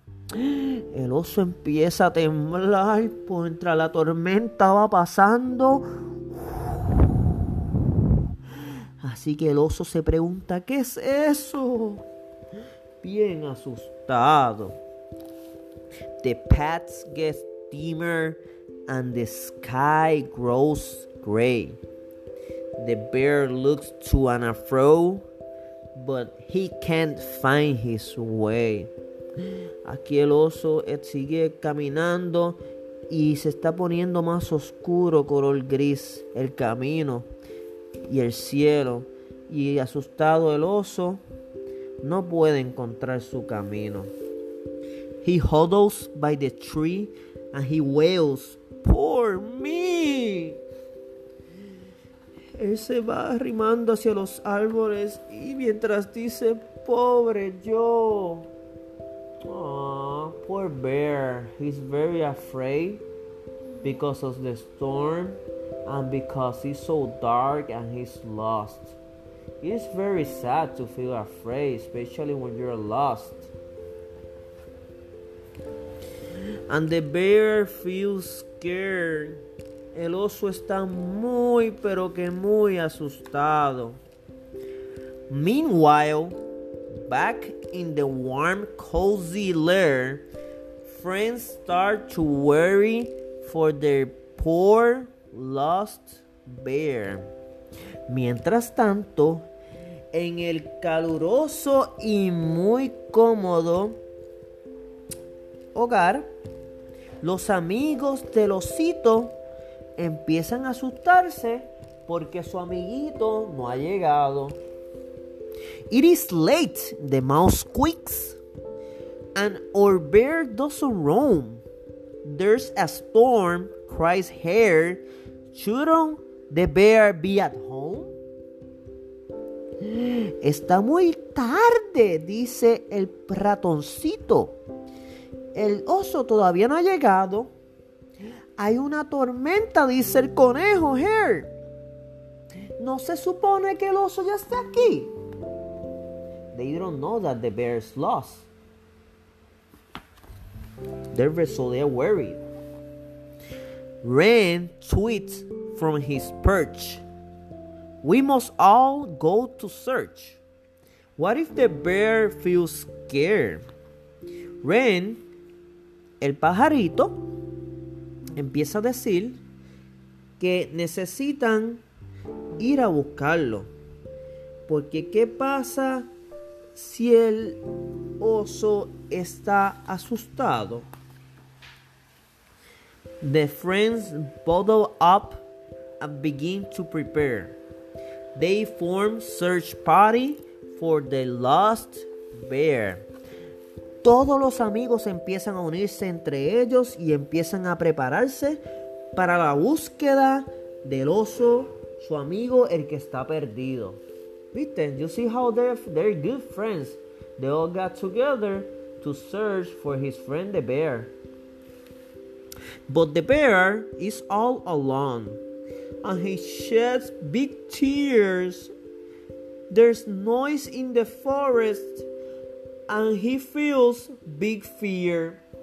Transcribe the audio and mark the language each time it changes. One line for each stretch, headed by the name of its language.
Spanish: El oso empieza a temblar mientras la tormenta va pasando. Así que el oso se pregunta, "¿Qué es eso?" Bien asustado.
English: The path gets dimmer and the sky grows gray. The bear looks to and fro, but he can't find his way.
Spanish: Aquí el oso sigue caminando y se está poniendo más oscuro, color gris, el camino y el cielo. Y asustado el oso no puede encontrar su camino.
English: He huddles by the tree and he wails, "Poor me."
Spanish: Él se va arrimando hacia los árboles y mientras dice, "Pobre yo."
English: Aww, poor bear. He's very afraid because of the storm and because it's so dark and he's lost. It's very sad to feel afraid, especially when you're lost. And the bear feels scared.
Spanish: El oso está muy, pero que muy asustado.
English: Meanwhile, back in the warm, cozy lair, friends start to worry for their poor, lost bear.
Spanish: Mientras tanto, en el caluroso y muy cómodo hogar, los amigos del osito empiezan a asustarse porque su amiguito no ha llegado.
English: It is late, the mouse squeaks, and our bear doesn't roam. There's a storm, cries Hare. Shouldn't the bear be at home?
Spanish: Está muy tarde, dice el ratoncito. El oso todavía no ha llegado. Hay una tormenta, dice el conejo, Hare. ¿No se supone que el oso ya está aquí?
English: They don't know that the bear is lost. They're so they're worried. Ren tweets from his perch. We must all go to search. What if the bear feels scared? Ren,
Spanish: el pajarito, empieza a decir que necesitan ir a buscarlo. Porque ¿qué pasa si el oso está asustado?
English: The friends bundle up and begin to prepare. They form search party for the lost bear.
Spanish: Todos los amigos empiezan a unirse entre ellos y empiezan a prepararse para la búsqueda del oso, su amigo, el que está perdido. ¿Viste?
English: You see how they're good friends. They all got together to search for his friend the bear. But the bear is all alone, and he sheds big tears. There's noise in the forest, and he feels big fear.